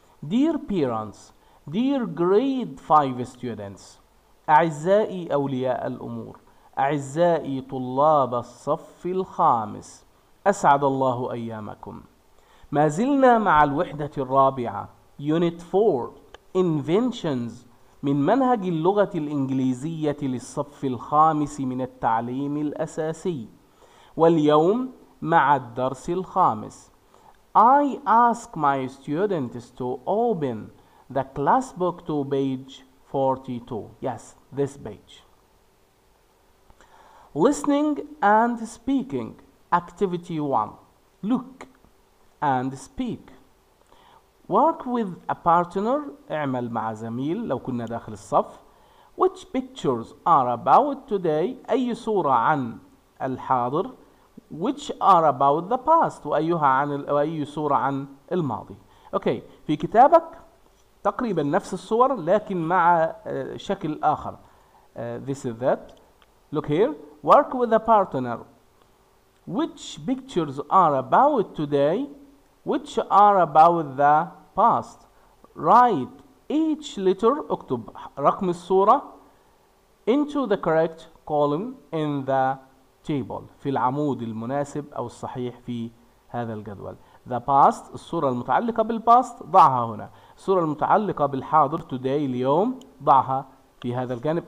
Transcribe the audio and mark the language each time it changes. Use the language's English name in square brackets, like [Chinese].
[English] Dear parents, dear grade 5 students, [Arabic] أعزائي أولياء الأمور، أعزائي طلاب الصف الخامس، أسعد الله أيامكم. ما زلنا مع الوحدة الرابعة Unit 4 Inventions من منهج اللغة الإنجليزية للصف الخامس من التعليم الأساسي، واليوم مع الدرس الخامس. [English] I ask my students to open the class book to page 42. Yes, this page. Listening and speaking. Activity 1. Look and speak. Work with a partner. [Arabic] اعمل مع زميل لو كنا داخل الصف. [English] Which pictures are about today? [Arabic] أي صورة عن الحاضر؟ [English] Which are about the past؟ [Arabic] وأيها عن أي صورة عن الماضي؟ أوكي، في كتابك تقريبا نفس الصور لكن مع شكل آخر. [English] This is that. Look here. Work with a partner. Which pictures are about today? Which are about the past? Write each letter. [Arabic] اكتب رقم الصورة [English] into the correct column in the table [Arabic] في العمود المناسب أو الصحيح في هذا الجدول. [English] The past [Arabic] الصورة المتعلقة بالباست ضعها هنا. الصورة المتعلقة بالحاضر today اليوم ضعها في هذا الجانب.